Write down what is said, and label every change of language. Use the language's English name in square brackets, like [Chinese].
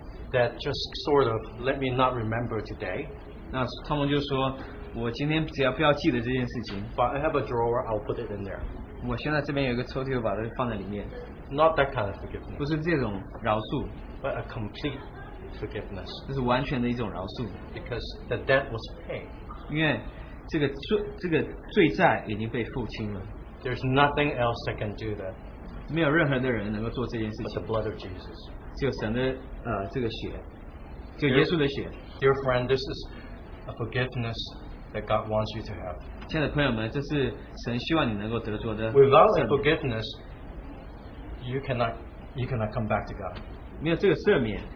[English] That just sort of let me not remember today. [Chinese] 那他们就说, 我今天只要不要记得这件事情, [English] but I have a drawer, I'll put it in there. [Chinese] 我现在这边有一个抽屉,我把它放在里面。 [English] Not that kind of forgiveness. [Chinese] 不是这种饶恕, [English] but a complete forgiveness. [Chinese] 这是完全的一种饶恕。 [English] Because the debt was paid. [Chinese] 因为这个罪债已经被付清了。 [English] There's nothing else that can do that. [Chinese] 没有任何的人能够做这件事情。 [English] But the blood of Jesus. [Chinese] 只有神的, 这个血。 [English] Dear friend, this is a forgiveness that God wants you to have. [Chinese] 亲爱的朋友们, [English] without a forgiveness, you cannot come back to God. [Chinese] 没有这个赦免,